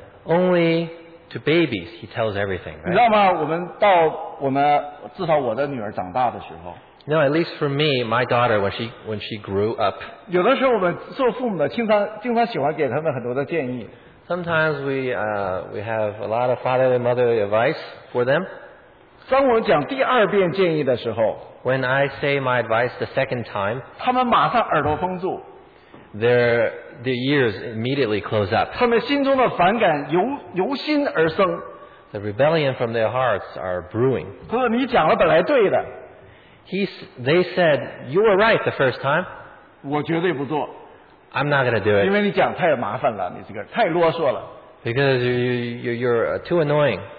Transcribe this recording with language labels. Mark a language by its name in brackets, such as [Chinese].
[English] Only to babies he tells everything, right? [Chinese] 你知道吗?我们到我们,至少我的女儿长大的时候, [English] no, at least for me, my daughter, when she grew up, [Chinese] 有的时候我们做父母的,经常喜欢给他们很多的建议, [English] sometimes we have a lot of fatherly motherly advice for them. [Chinese] 当我讲第二遍建议的时候, [English] when I say my advice the second time, [Chinese] 他们马上耳朵封住, [English] their ears immediately close up. [Chinese] 他们心中的反感由心而生, [English] the rebellion from their hearts are brewing. [Chinese] 他说你讲了本来对的, [English] they said, you were right the first time. [Chinese] 我绝对不做, [English] I'm not going to do it. [Chinese] 因为你讲太麻烦了, 你这个, 太啰嗦了, [English] because you're too annoying.